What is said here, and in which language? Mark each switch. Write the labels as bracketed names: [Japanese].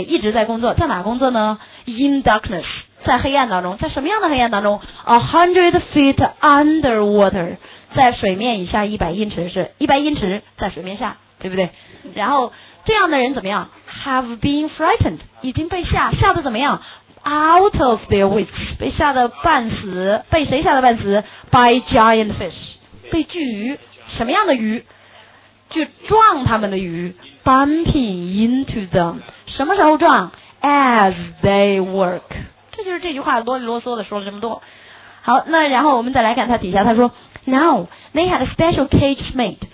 [Chinese] 一直在工作，在哪工作呢？in darkness， 在黑暗当中。在什么样的黑暗当中？ [English] 100 feet underwater， [Chinese] 在水面以下100英尺，是100英尺在水面下，对不对？然后这样的人怎么样？ [English] have been frightened， [Chinese] 已经被吓得怎么样？ [English] Out of their wits， [Chinese] 被吓得半死。被谁吓得半死？ [English] By giant fish， [Chinese] 被巨鱼。什么样的鱼？就撞他们的鱼。 [English] Bumping into them， [Chinese] 什么时候撞？ [English] As they work。 [Chinese] 这就是这句话啰里啰嗦的说了这么多。好，那然后我们再来看他底下，他说 [English] Now they had a special cage made。